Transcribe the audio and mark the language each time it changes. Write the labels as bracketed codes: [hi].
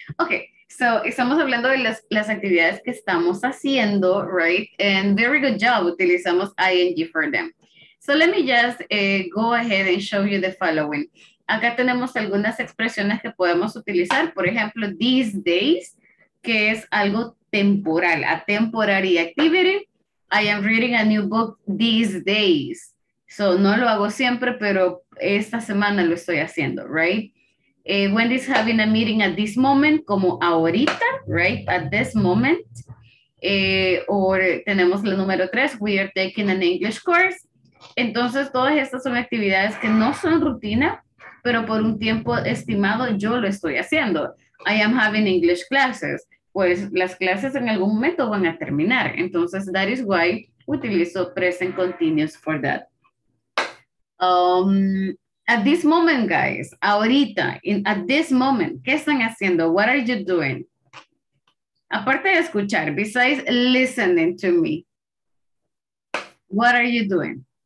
[es] Okay, so estamos hablando de las actividades que estamos haciendo, right? [en] And very good job. [es] Utilizamos [en] ING for them. So let me just go ahead and show you the following. [es] Acá tenemos algunas expresiones que podemos utilizar. Por ejemplo, [en] these days, [es] que es algo temporal, [en] a temporary activity. I am reading a new book these days. [es] So no lo hago siempre, pero esta semana lo estoy haciendo, right? [en] Wendy's having a meeting at this moment, [es] como ahorita, [en] right? At this moment. Or [es] tenemos el número 3, [en] we are taking an English course. [es] Entonces, todas estas son actividades que no son rutina, pero por un tiempo estimado yo lo estoy haciendo. [en] I am having English classes. [es] Pues las clases en algún momento van a terminar. [en] Entonces, that is why [es] utilizo [en] present continuous for that. At this moment, guys, ahorita, at this moment, [es] ¿qué están haciendo? [en] What are you doing? [es] Aparte de escuchar, [en] besides listening to me, what are you doing?